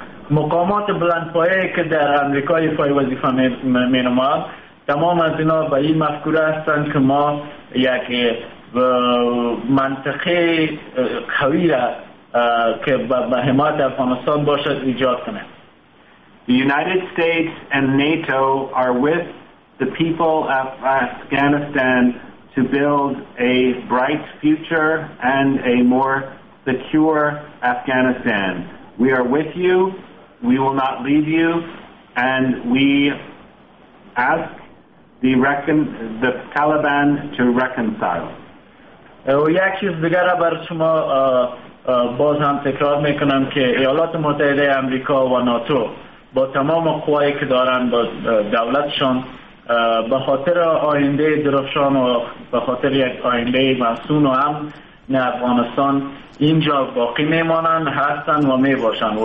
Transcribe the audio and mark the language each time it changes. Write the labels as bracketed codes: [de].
[fa] مقامات بلندپایه که در امریکای پای وظیفه می نماید، تمام از اینا به این مفکوره هستند که ما یک منطقه قوی را که به حمایت افغانستان باشد ایجاد کنند. [en] The United States and NATO are with the people of Afghanistan to build a bright future and a more secure Afghanistan. We are with you. We will not leave you, and we ask the Taliban to reconcile. [fa] یک چیز دیگر برای شما باز هم تکرار میکنم که ایالات متحده امریکا و ناتو با تمام قوایی که دارن با دولتشان به خاطر آینده درخشان و به خاطر یک آینده مسئول و هم نه افغانستان اینجا باقی میمانند، هستند و میباشند.